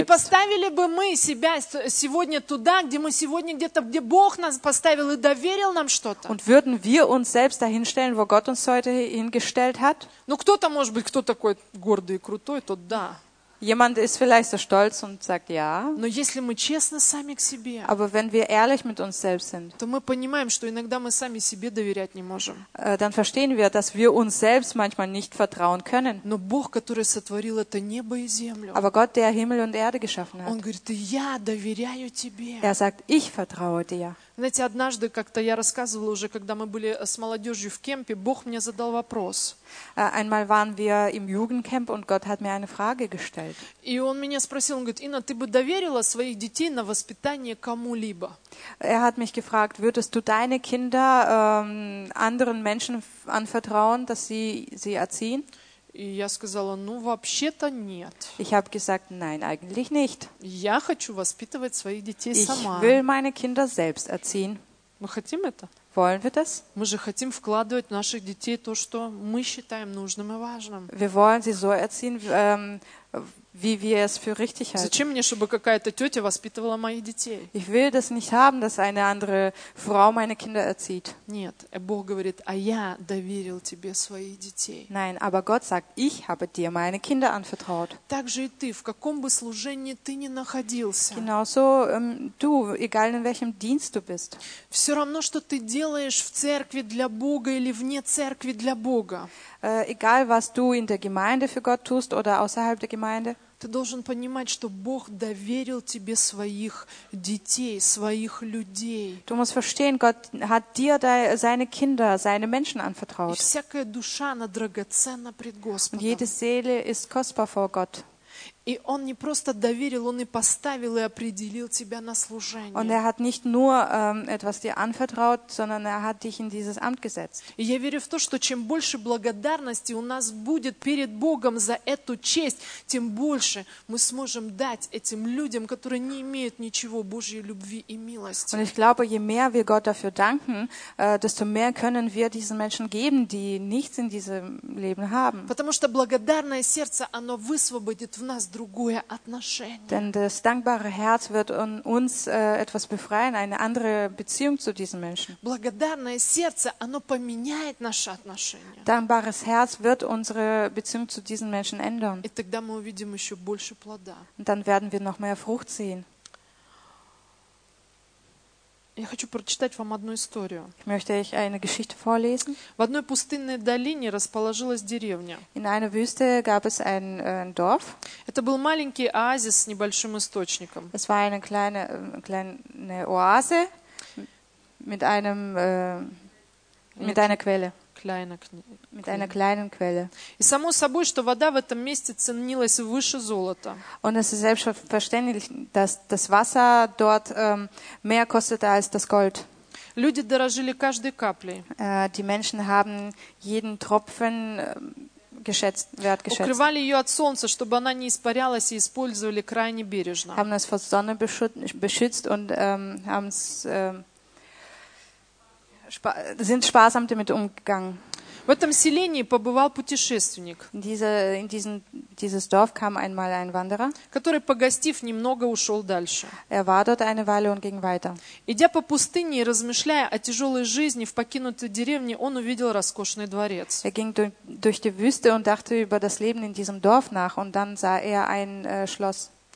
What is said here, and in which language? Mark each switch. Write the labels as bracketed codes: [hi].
[ru] И поставили бы мы себя сегодня туда, где мы сегодня где-то, где Бог нас поставил и доверил нам что-то. [de] Und würden wir uns selbst dahin stellen, wo Gott uns heute hingestellt hat? [ru] Ну кто-то, может быть, кто такой гордый и крутой, тот да. [de] Jemand ist vielleicht so stolz und sagt ja. [ru] Но если мы честны сами к себе, [de] aber wenn wir ehrlich mit uns selbst sind, [ru] то мы понимаем, что иногда мы сами себе доверять не можем. [de] Dann verstehen wir, dass wir uns selbst manchmal nicht vertrauen können. [ru] Но Бог, который сотворил это небо и землю, [de] aber Gott, der Himmel und Erde geschaffen hat, [ru] он говорит: я доверяю тебе. [de] Er sagt: Ich vertraue dir. [ru] Знаете, однажды как-то я рассказывала уже, когда мы были с молодежью в кемпе, Бог мне задал вопрос. [de] Einmal waren wir im Jugendcamp und Gott hat mir eine Frage gestellt. [ru] И он меня спросил, он говорит: Инна, ты бы доверила своих детей на воспитание кому-либо? [de] Er hat mich gefragt: Würdest du deine Kinder anderen Menschen anvertrauen, dass sie sie erziehen? [ru] И я сказала: ну, вообще-то нет. [de] Ich habe gesagt: Nein, eigentlich nicht. [ru] Я хочу воспитывать своих детей [de] ich [ru] сама. [de] Ich will meine Kinder selbst erziehen. [ru] Мы хотим это? [de] Wollen wir das? [ru] Мы же хотим вкладывать в наших детей то, что мы считаем нужным и важным. [de] Wir wollen sie so erziehen, wie wir es für richtig halten. [ru] Зачем мне, чтобы какая-то тетя воспитывала моих детей? [de] Ich will das nicht haben, dass eine andere Frau meine Kinder erzieht. [ru] Нет, Бог говорит, а я доверил тебе своих детей. [de] Nein, aber Gott sagt, ich habe dir meine Kinder anvertraut. [ru] Так же и ты, в каком бы служении ты ни находился. [de] Genauso du, egal in welchem Dienst du bist. [ru] Все равно, что ты делаешь в церкви для Бога или вне церкви для Бога. [de] Egal, was du in der Gemeinde für Gott tust oder außerhalb der Gemeinde. [ru] Ты должен понимать, что Бог доверил тебе своих детей, своих людей. [de] Du musst verstehen, Gott hat dir seine Kinder, seine Menschen anvertraut. [ru] И всякая душа, она драгоценна пред Господом. [de] Und jede Seele ist kostbar vor Gott. [ru] И Он не просто доверил, Он и поставил, и определил тебя на служение. [de] Und er hat nicht nur etwas dir anvertraut, sondern er hat dich in dieses Amt gesetzt. [ru] И я верю в то, что чем больше благодарности у нас будет перед Богом за эту честь, тем больше мы сможем дать этим людям, которые не имеют ничего Божьей любви и милости. [de] Und ich glaube, je mehr wir Gott dafür danken, desto mehr können wir diesen Menschen geben, die nichts in diesem Leben haben. [ru] Потому что благодарное сердце, оно высвободит в нас другое отношение. [de] Denn das dankbare Herz wird uns etwas befreien, eine andere Beziehung zu diesen Menschen. [ru] Благодарное сердце, оно поменяет наши отношения. [de] Dankbares Herz wird unsere Beziehung zu diesen Menschen ändern. [ru] И тогда мы увидим еще больше плода. [de] Und dann werden wir noch mehr Frucht sehen. [ru] Я хочу прочитать вам одну историю. [de] Ich möchte euch eine Geschichte vorlesen. [ru] В одной пустынной долине расположилась деревня. [de] In einer Wüste gab es ein Dorf. [ru] Это был маленький оазис с небольшим источником. [de] Es war eine kleine Oase mit einem mit einer Quelle. Mit einer kleinen Quelle. [ru] И само собой, что вода в этом месте ценилась выше золота. [de] Und es ist selbstverständlich, dass das Wasser dort mehr kostete als das Gold. [ru] Люди дорожили каждой каплей. [de] Die Menschen haben jeden Tropfen wertgeschätzt. [ru] Укрывали ее от солнца, чтобы она не испарялась, и использовали крайне бережно. [de] Haben es vor Sonne beschützt und haben es sind sparsam damit umgegangen. [ru] В этом селении побывал путешественник. [de] Dieses Dorf kam einmal ein Wanderer, [ru] который, погостив немного, ушел дальше. [de] Er war dort eine Weile und ging weiter. [ru] Идя по пустыне и размышляя о тяжелой жизни в покинутой деревне, он увидел роскошный дворец. [de] Er ging durch die Wüste und dachte über das Leben in diesem Dorf nach und dann sah er ein Schloss.